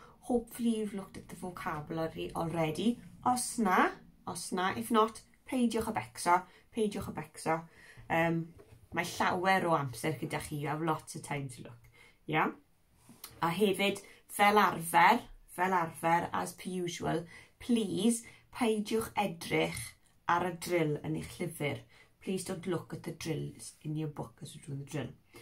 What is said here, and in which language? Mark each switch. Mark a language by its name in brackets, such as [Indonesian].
[English] Hopefully you've looked at the vocabulary already. [Welsh] Os na, [English] if not, [Welsh] peidiwch a becso. Mae llawer o amser gyda chi, [English] you have lots of time to look. Yeah? [Welsh] A hefyd, fel arfer, [English] as per usual, please, [Welsh] peidiwch edrych ar y drill yn eich llyfr. [English] Please don't look at the drills in your book as you're doing the drill.